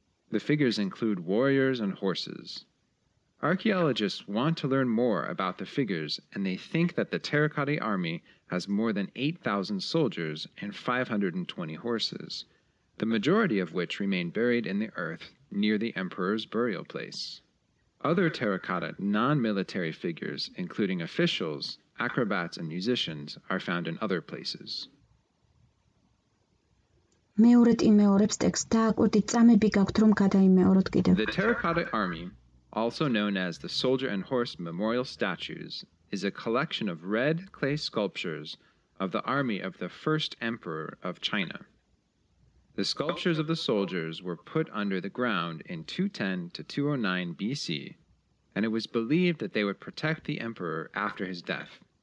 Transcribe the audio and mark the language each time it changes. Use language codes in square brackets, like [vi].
[en] The figures include warriors and horses. Archaeologists want to learn more about the figures, and they think that the Terracotta Army has more than 8,000 soldiers and 520 horses, the majority of which remain buried in the earth near the emperor's burial place. Other terracotta non-military figures, including officials, acrobats, and musicians, are found in other places. [ka] მეორეთ იმეორებს ტექსტ დააკვირდით, წამები გაქვთ რომ გადაიმეოროთ კიდევ. [en] The Terracotta Army, also known as the Soldier and Horse Memorial Statues, is a collection of red clay sculptures of the army of the first emperor of China. The sculptures of the soldiers were put under the ground in 210 to 209 BC, and it was believed that they would protect the emperor after his death.